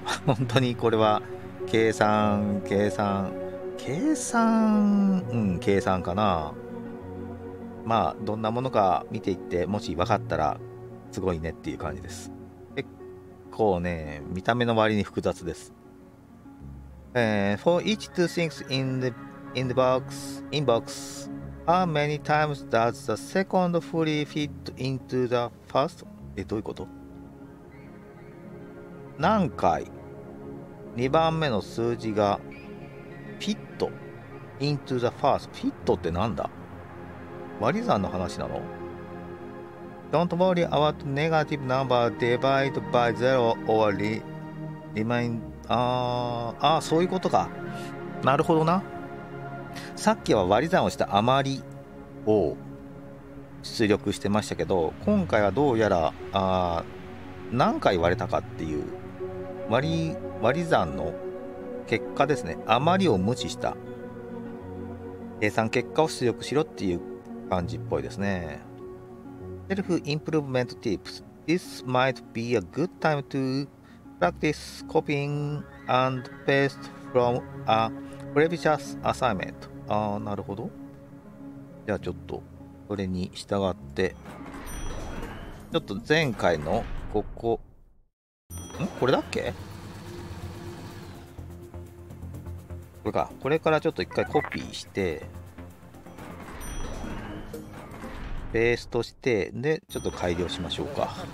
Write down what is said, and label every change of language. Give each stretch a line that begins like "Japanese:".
Japanese: 本当にこれは、計算かな。まあ、どんなものか見ていって、もし分かったら、すごいねっていう感じです。こうね、見た目の割に複雑です。
English: For each two things in the box, how many times does the second fully fit into the first?
Japanese: え、どういうこと？何回2番目の数字が
English: fit into the first?
Japanese: Fit ってなんだ？割り算の話なの？
English: Don't worry about negative number divided by zero or remain.
Japanese: ああ、そういうことか。なるほどな。さっきは割り算をした余りを出力してましたけど、今回はどうやら何回割れたかっていう割り算の結果ですね。余りを無視した計算結果を出力しろっていう感じっぽいですね。
English: Self improvement tips. This might be a good time to practice copying and paste from a previous assignment.
Japanese: あー、なるほど。じゃあちょっとそれに従ってちょっと前回のここん？これだっけ？これか。これからちょっと一回コピーしてペーストして、でちょっと改良しましょうか。